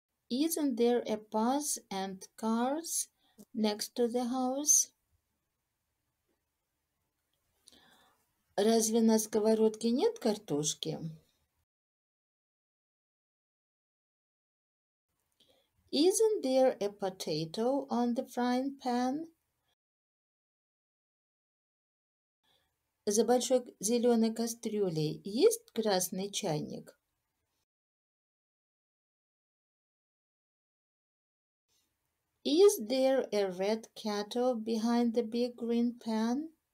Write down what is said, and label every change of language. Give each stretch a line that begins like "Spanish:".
English: Isn't there a bus and cars next to the house?
Russian: Разве на сковородке нет картошки?
English: Isn't there a potato on the frying pan?
Russian: За большой зеленой кастрюлей есть красный чайник?
English: Is there a red kettle behind the big green pan?